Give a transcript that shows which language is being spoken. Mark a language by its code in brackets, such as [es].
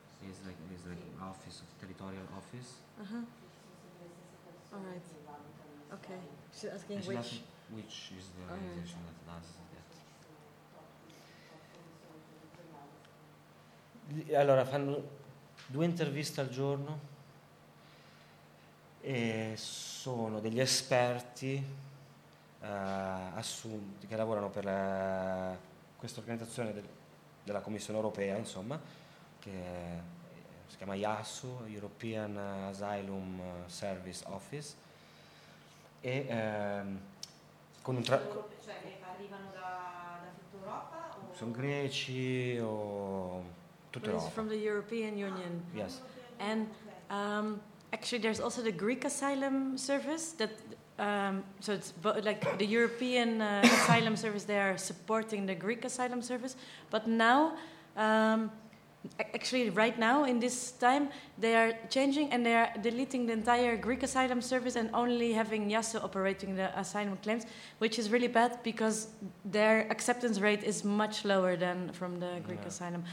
[en] is like an office, a territorial office. Uh-huh. All right. Okay. She's asking which is the organization, right, that does that. [it] Allora, fanno due interviste al giorno e sono degli esperti assunti, che lavorano per questa organizzazione della Commissione Europea, insomma, che si chiama IASU, European Asylum Service Office, e con un cioè arrivano da tutta Europa, o sono greci o tutta Europa? [en] From the European Union. Yes. And actually there's also the Greek Asylum Service that so it's like the European asylum service, they are supporting the Greek asylum service. But now, actually right now in this time, they are changing and they are deleting the entire Greek asylum service and only having IASU operating the asylum claims, which is really bad because their acceptance rate is much lower than from the Greek asylum.